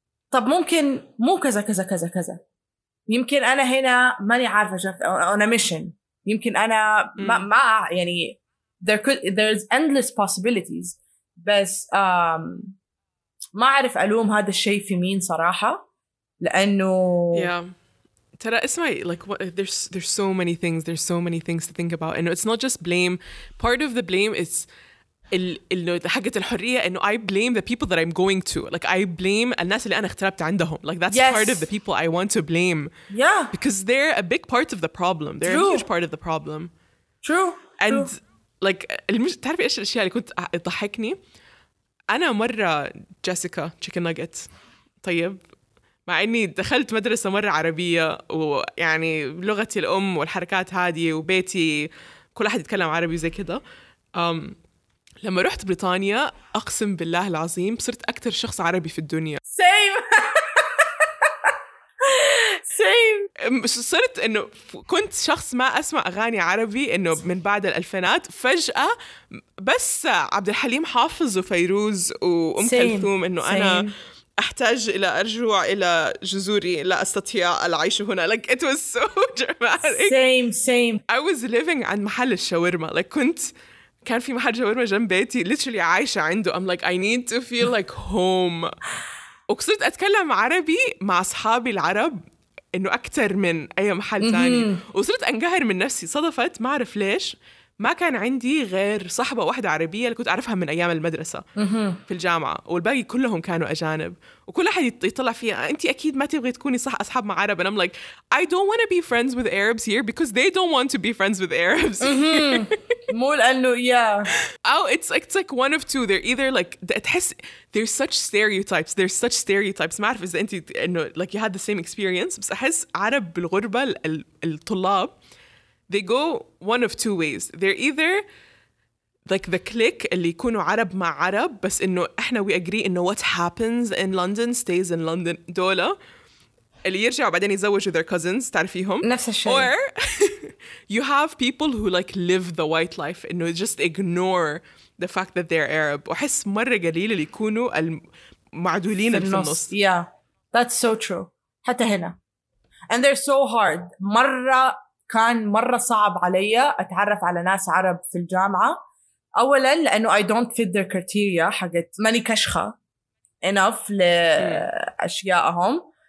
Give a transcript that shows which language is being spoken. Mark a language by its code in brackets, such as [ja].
[ar] طب ممكن مو كذا كذا كذا كذا، يمكن أنا هنا ماني عارفة أنا ميشن، يمكن أنا ما يعني [en] there's endless possibilities. [ar] بس ما أعرف ألوم هذا الشيء في مين صراحة، لأنه ترى اسمعي [en] like what, there's so many things, there's so many things to think about, and it's not just blame. Part of the blame is [ar] حقة الحرية, إنه [en] I blame the people that I'm going to, like I blame [ar] الناس اللي أنا اختربت عندهم, [en] like that's yes. part of the people I want to blame. Yeah, because they're a big part of the problem. They're True. A huge part of the problem. True. And True. [ar] Like تعرفي إيش الأشياء اللي كنت تضحكني؟ أنا مرة جيسيكا [en] chicken nuggets. [ar] طيب مع إني دخلت مدرسة مرة عربية ويعني لغتي الأم والحركات هذه وبيتي كل أحد يتكلم عربي زي كده. لما رحت بريطانيا أقسم بالله العظيم صرت أكتر شخص عربي في الدنيا. [en] Same. [ar] صرت إنه كنت شخص ما أسمع أغاني عربي إنه من بعد الألفينات, فجأة بس عبد الحليم حافظ وفيروز وأم كلثوم إنه أنا أحتاج إلى أرجوع إلى جزوري لا أستطيع العيش هنا. [en] Like it was so dramatic. Same. I was living [ar] عند محل الشاورما. Like كنت كان في محل شاورما جنب بيتي literally عايشة عنده. [en] I'm like I need to feel like home. [ar] وكسرت أتكلم عربي مع أصحابي العرب إنه أكتر من أي محل تاني. وصرت أنقهر من نفسي. صدفت ما أعرف ليش ما كان عندي غير صاحبة واحدة عربية اللي كنت أعرفها من أيام المدرسة في الجامعة, والباقي كلهم كانوا أجانب, وكل أحد يطلع فيها أنت أكيد ما تبغي تكوني صح أصحاب مع عرب. [en] And I'm like I don't want to be friends with Arabs here because they don't want to be friends with Arabs here. [ar] مو لأنه yeah. [en] أو it's like one of two. They're either like تحس there's such stereotypes. [ar] ما أعرف إذا أنت إنه [en] like you had the same experience, [ar] بس أحس عرب بالغربة الطلاب [en] they go one of two ways. They're either like the clique [ar] اللي يكونوا عرب مع عرب بس إنه إحنا [en] we agree إنه what happens in London stays in London. [ar] دولة اللي يرجع بعدين يزوجوا [en] their cousins [ar] تعرفيهم نفس الشيء. [en] Or you have people who like live the white life إنه just ignore the fact that they're Arab. [ar] وحس مرة قليل اللي يكونوا المعدولين في النص. [en] Yeah, that's so true. [ar] حتى هنا. [en] And they're so hard. [ar] مرة كان مرة صعب علي أتعرف على ناس عرب في الجامعة. أولاً لأنه [en] I don't fit their criteria, [ar] حقت ماني كشخة [en] enough [ar] لأشيائهم.